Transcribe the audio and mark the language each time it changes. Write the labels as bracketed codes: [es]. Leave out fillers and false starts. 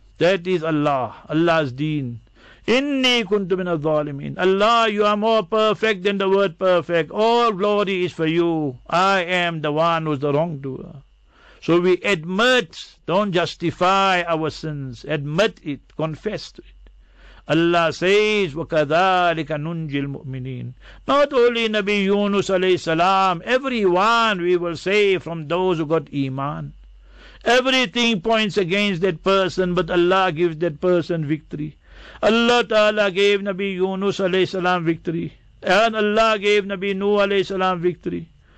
[en] That is Allah, Allah's deen. [ar] Inni kuntu minadh zalimin. [en] Allah, you are more perfect than the word perfect. All glory is for you. I am the one who's the wrongdoer. So we admit, don't justify our sins. Admit it, confess to it. Allah says, [ar] وَكَذَٰلِكَ نُنْجِي الْمُؤْمِنِينَ. [en] Not only Nabi Yunus alayhi salam, everyone we will save from those who got iman. Everything points against that person, but Allah gives that person victory. Allah Ta'ala gave Nabi Yunus alayhi salam victory. And Allah gave Nabi Nuh alayhi salam victory.